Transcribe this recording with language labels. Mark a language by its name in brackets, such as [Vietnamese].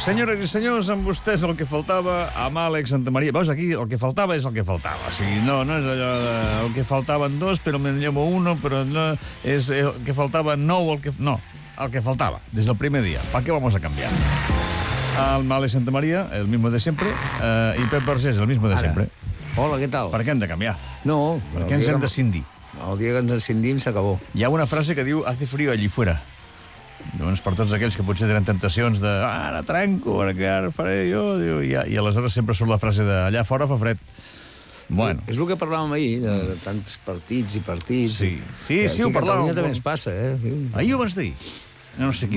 [Catalan] Senyores i senyors, amb vostès el que faltava, amb Àlex Santamaria. Veus, aquí el que faltava és el que faltava. O sigui, no, no és allò de... El que faltaven dos, però me'n llevo uno, però no... És el que faltava nou, el que... No, el que faltava, des del primer dia. Per què [Spanish] vamos a [Catalan] canviar? Amb Àlex Santamaria, [Spanish] el mismo [Catalan] de sempre, i Pep Vergés, el mismo de sempre. Hola, què tal? Per què hem de canviar? No. Per què ens hem de cindir? El dia que ens cindim [Spanish] s'acabó. [Catalan] Hi ha una frase que diu, [Spanish] hace frío allí fuera. [Catalan] Llavors, per tots aquells que potser tenen temptacions de ara trenco, perquè ara faré jo... I aleshores sempre surt la frase de allà fora fa fred. Bueno. És el que parlàvem ahir, de tants partits i partits. Sí, sí, que, sí ho parlàvem. Catalunya també ens passa, eh? Ahir ho vas dir? No sé quin